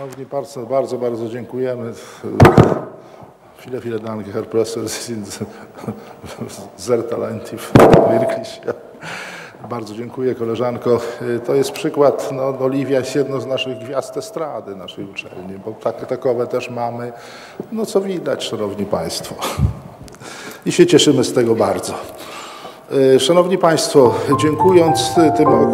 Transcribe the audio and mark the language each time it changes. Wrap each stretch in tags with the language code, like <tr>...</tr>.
<pl>bardzo, bardzo, bardzo dziękujemy.</pl> <de>Viele, viele Dank, Herr Professor, Sie sind sehr talentiv, wirklich.</de> <pl>Bardzo dziękuję, koleżanko. To jest przykład, no, Oliwia jest jedną z naszych gwiazd estrady naszej uczelni, bo takowe też mamy, no co widać, szanowni państwo. I się cieszymy z tego bardzo. Szanowni państwo, dziękując tym</pl>